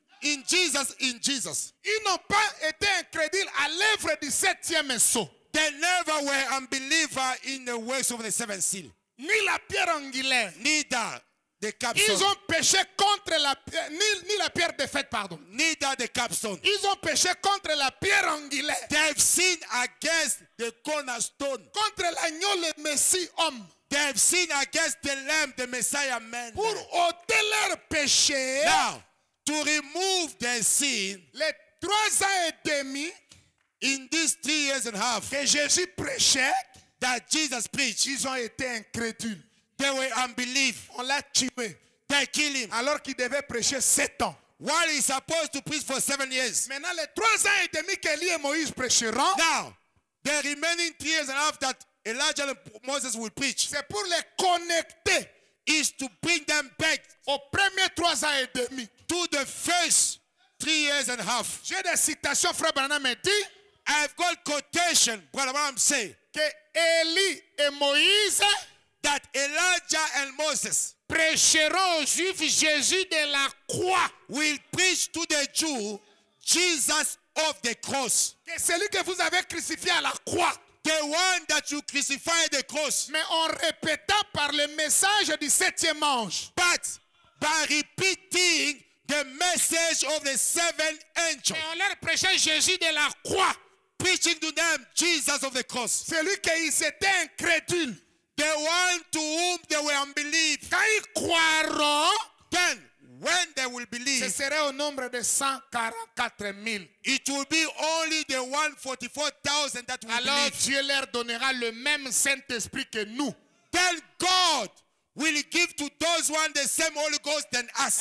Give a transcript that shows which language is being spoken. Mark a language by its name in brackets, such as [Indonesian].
[English] In Jesus, in Jesus. [French] Ils n'ont pas été incrédules à l'œuvre du septième sceau. [English] They never were unbelievers in the works of the seventh seal. [French] Ni la pierre angulaire. [English] Neither the capstone. [French] Ils ont péché contre la pierre. Ni la pierre défaite, pardon. [English] Neither the capstone. [French] Ils ont péché contre la pierre angulaire. [English] They've sinned against the cornerstone. [French] Contre l'agneau, le Messie homme. [English] They've sinned against the lamb, the Messiah man. [French] Pour ôter leur péché. [English] Now, to remove their sin. [French] Les 3 ans et demi. [English] In these 3 years and a half. [French] Que Jésus prêchait. [English] That Jesus preached. [French] Ils ont été incrédules. [English] They were unbelief. [French] On l'a tué. [English] They killed him. [French] Alors qu'il devait prêcher 7 ans. [English] While he's supposed to preach for 7 years. [French] Maintenant les 3 ans et demi qu'Élie et Moïse prêcheront. [English] Now, the remaining 3 years and a half that Elijah and Moses will preach. [French] C'est pour les connecter. [English] Is to bring them back. [French] Aux premiers 3 ans et demi. [English] To the first 3 years and a half. [French] J'ai des citations, frère Branham me dit. [English] I've got quotation, brother Branham say. [French] Que Élie et Moïse. [English] That Elijah and Moses. [French] Prêcheront aux Juifs Jésus de la croix. [English] Will preach to the Jew Jesus of the cross. [French] Que celui que vous avez crucifié à la croix. [English] The one that you crucified the cross. [French] Mais en répétant par le message du septième ange. [English] But by repeating the message of the seven angels. [French] Et en leur prêchant Jésus de la croix. [English] Preaching to them Jesus of the cross. [French] Celui qui s'était incrédule. [English] The one to whom they were unbelieved. [French] Quand ils croiront, [English] then, when they will believe, [French] ce serait au nombre de 144 000. [English] It will be only the 144,000 that will believe. [French] Dieu leur donnera le même Saint-Esprit que nous. [English] Then God will give to those ones the same Holy Ghost than us.